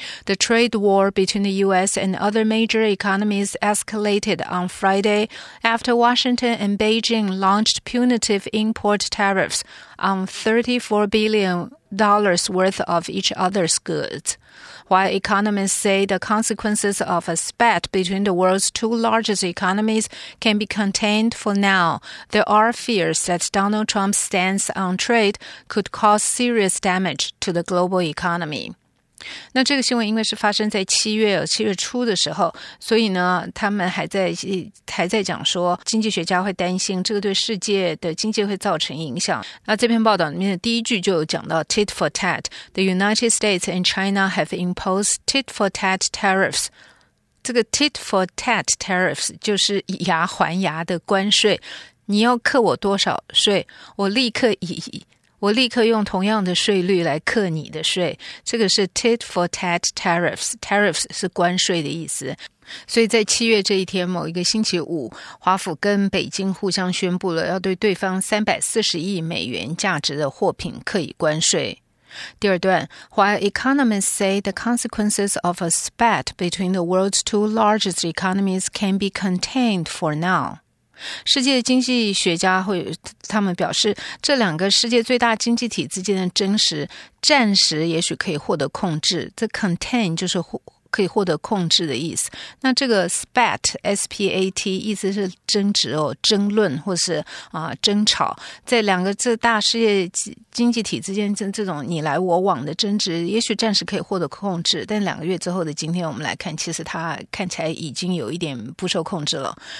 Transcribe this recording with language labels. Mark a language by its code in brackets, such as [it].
[en] The trade war between the U.S. and other major economies escalated on Friday after Washington and Beijing launched punitive import tariffs on $34 billion worth of each other's goods. While economists say the consequences of a spat between the world's two largest economies can be contained for now, there are fears that Donald Trump's stance on trade could cause serious damage to the global economy. [zh] 那这个新闻因为是发生在七月初的时候，所以呢他们还在讲说经济学家会担心这个对世界的经济会造成影响。那这篇报道里面的第一句就有讲到 [en] tit for tat， The United States and China have imposed tit for tat tariffs。 [zh] 这个 tit for tat tariffs 就是以牙还牙的关税，你要课我多少税，我立刻用同样的税率来课你的税，这个是 tit for tat tariffs， tariffs 是关税的意思。所以在七月这一天，某一个星期五，华府跟北京互相宣布了要对对方$340 billion价值的货品课以关税。第二段， [en] While economists say the consequences of a spat between the world's two largest economies can be contained for now. [zh] 世界经济学家会他们表示，这两个世界最大经济体之间的争执暂时也许可以获得控制，这 contain 就是可以获得控制的意思。那这个 spat S-P-A-T 意思是争执哦，争论或是、争吵，在两个这大世界经济体之间这种你来我往的争执也许暂时可以获得控制，但两个月之后的今天我们来看，其实它看起来已经有一点不受控制了。